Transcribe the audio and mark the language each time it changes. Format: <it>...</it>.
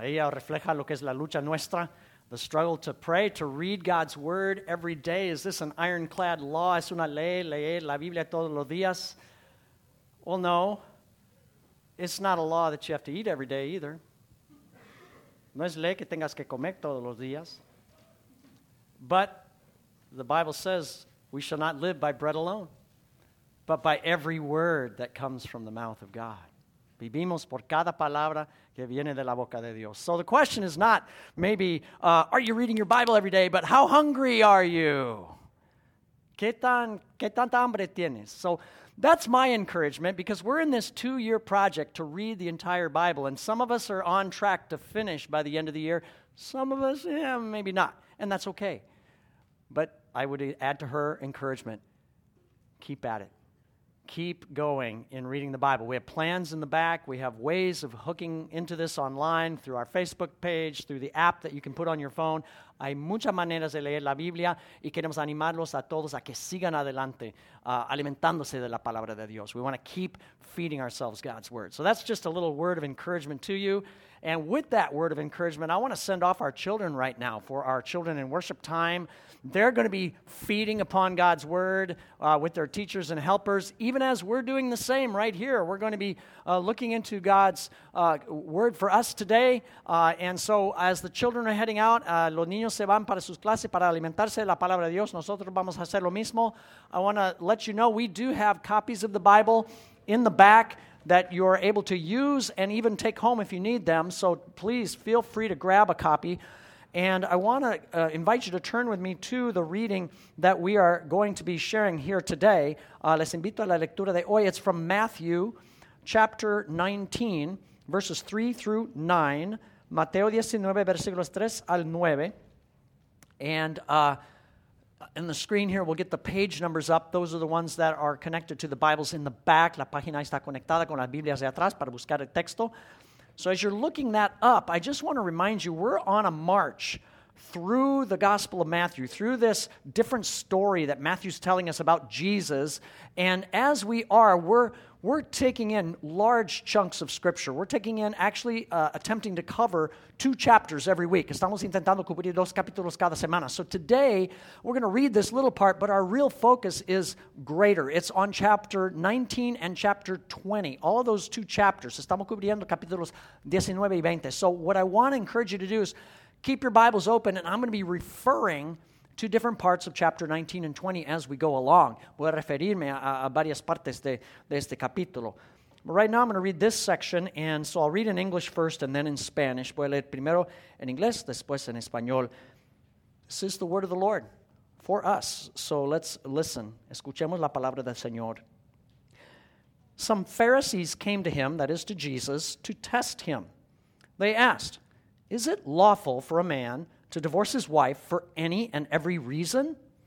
<es>Ella refleja lo que es la lucha nuestra.</es> <en>The struggle to pray, to read God's word every day. Is this an ironclad law?</en> <es>¿Es una ley leer la Biblia todos los días?</es> <en>Well, no. It's not a law that you have to eat every day either.</en> <es>No es ley que tengas que comer todos los días.</es> <en>But the Bible says we shall not live by bread alone, but by every word that comes from the mouth of God.</en> <es>Vivimos por cada palabra que viene de la boca de Dios.</es> <en>So the question is not maybe, are you reading your Bible every day, but how hungry are you?</en> <es>¿Qué tanta hambre tienes?</es> <en>So that's my encouragement, because we're in this 2-year project to read the entire Bible, and some of us are on track to finish by the end of the year. Some of us, yeah, maybe not, and that's okay. But I would add to her encouragement, keep at it. Keep going in reading the Bible. We have plans in the back. We have ways of hooking into this online through our Facebook page, through the app that you can put on your phone.</en> <es>Hay muchas maneras de leer la Biblia y queremos animarlos a todos a que sigan adelante alimentándose de la palabra de Dios.</es> <en>We want to keep feeding ourselves God's word. So that's just a little word of encouragement to you. And with that word of encouragement, I want to send off our children right now for our children in worship time. They're going to be feeding upon God's word with their teachers and helpers, even as we're doing the same right here. We're going to be looking into God's word for us today. And so as the children are heading out,</en> <es>los niños se van para sus clases para alimentarse de la palabra de Dios. Nosotros vamos a hacer lo mismo.</es> <en>I want to let you know we do have copies of the Bible in the back that you are able to use and even take home if you need them. So please feel free to grab a copy. And I want to invite you to turn with me to the reading that we are going to be sharing here today.</en> <es>Les invito a la lectura de hoy.</es> <en>It's from Matthew chapter 19, verses 3 through 9.</en> <es>Mateo 19, versículos 3 al 9.</es> <en>And in the screen here, we'll get the page numbers up. Those are the ones that are connected to the Bibles in the back.</en> <es>La página está conectada con las Biblias de atrás para buscar el texto.</es> <en>So as you're looking that up, I just want to remind you, we're on a march through the Gospel of Matthew, through this different story that Matthew's telling us about Jesus. And as we are, we're taking in large chunks of Scripture. We're taking in, actually attempting to cover 2 chapters every week.</en> <es>Estamos intentando cubrir 2 capítulos cada semana.</es> <en>So today, we're going to read this little part, but our real focus is greater. It's on chapter 19 and chapter 20, all of those 2 chapters.</en> <es>Estamos cubriendo capítulos 19 y 20.</es> <en>So what I want to encourage you to do is keep your Bibles open, and I'm going to be referring to different parts of chapter 19 and 20 as we go along.</en> <es>Voy a referirme a varias partes de este capítulo.</es> <en>But right now I'm going to read this section, and so I'll read in English first and then in Spanish.</en> <es>Voy a leer primero en inglés, después en español.</es> <en>This is the word of the Lord for us, so let's listen.</en> <es>Escuchemos la palabra del Señor.</es> <en>Some Pharisees came to him, that is to Jesus, to test him. They asked, "Is it lawful for a man to divorce his wife for any and every reason?"</en>